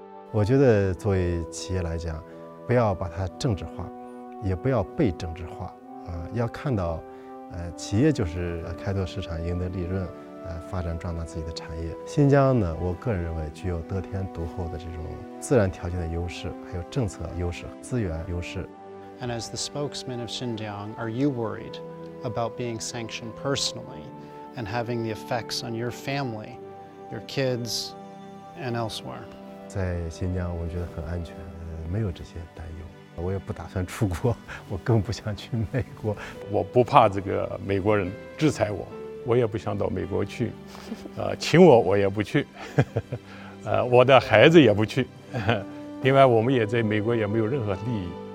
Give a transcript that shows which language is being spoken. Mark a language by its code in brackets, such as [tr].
[zh] 我觉得作为企业来讲，不要把它政治化，也不要被政治化，要看到，企业就是开拓市场，赢得利润。发展壮大自己的产业。新疆呢，我个人认为具有得天独厚的这种自然条件的优势，还有政策优势、资源优势。 [en] And as the spokesman of Xinjiang, are you worried about being sanctioned personally and having the effects on your family, your kids, and elsewhere? [zh] 在新疆，我觉得很安全，没有这些担忧。我也不打算出国，我更不想去美国。我不怕这个美国人制裁我。我也不想到美国去，请我也不去，我的孩子也不去，另外我们也在美国也没有任何利益。